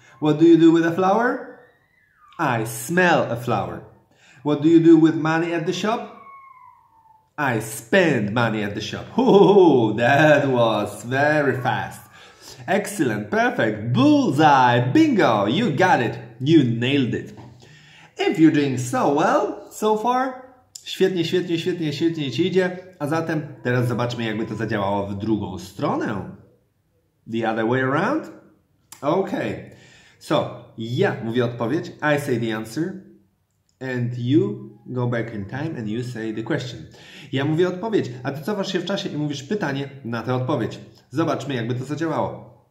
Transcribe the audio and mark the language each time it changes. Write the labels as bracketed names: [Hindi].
[English] What do you do with a flower? I smell a flower. What do you do with money at the shop? I spend money at the shop. Ooh, that was very fast. Excellent, perfect, bullseye, bingo, you got it, you nailed it. If you're doing so well so far, [Polish] świetnie, świetnie, świetnie, świetnie ci idzie. A zatem teraz zobaczmy, jakby to zadziałało w drugą stronę. [English] The other way around? Okay. So, [Polish] ja mówię odpowiedź. [English] I say the answer. And you go back in time and you say the question. [Polish] Ja mówię odpowiedź. A ty cofasz się w czasie i mówisz pytanie na tę odpowiedź. Zobaczmy, jakby to zadziałało.